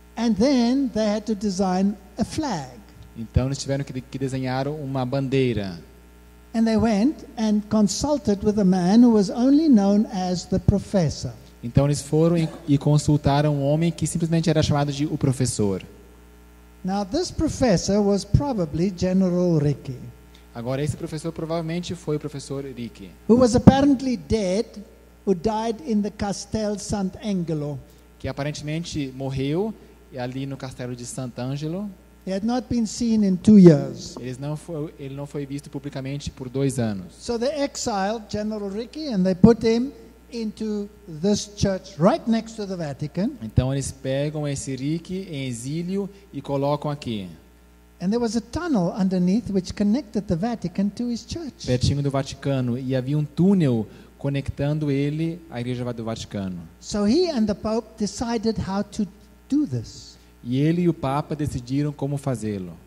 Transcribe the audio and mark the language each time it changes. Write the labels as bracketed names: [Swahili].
[English] And then they had to design a flag. [Portuguese] Então eles tiveram que desenhar uma bandeira. [English] And they went and consulted with a man who was only known as the professor. [Portuguese] Então eles foram e consultaram um homem que simplesmente era chamado de o professor. [English] Now this professor was probably General Ricci. [Portuguese] Agora esse professor provavelmente foi o professor Ricci. [English] Who was apparently dead, who died in the Castel Sant'Angelo. [Portuguese] Que aparentemente morreu ali no castelo de Sant'Angelo. [English] He had not been seen in 2 years. [Portuguese] Ele não foi visto publicamente por 2 anos. [English] So they exiled General Ricci and they put him into this church right next to the Vatican. [Portuguese] Então eles pegam esse Ricci em exílio e colocam aqui. [English] And there was a tunnel underneath which connected the Vatican to his church. [Portuguese] Pertinho do Vaticano, e havia um túnel conectando ele à igreja do Vaticano. [English] So he and the Pope decided how to do this. [Portuguese] E ele e o Papa decidiram como fazê-lo.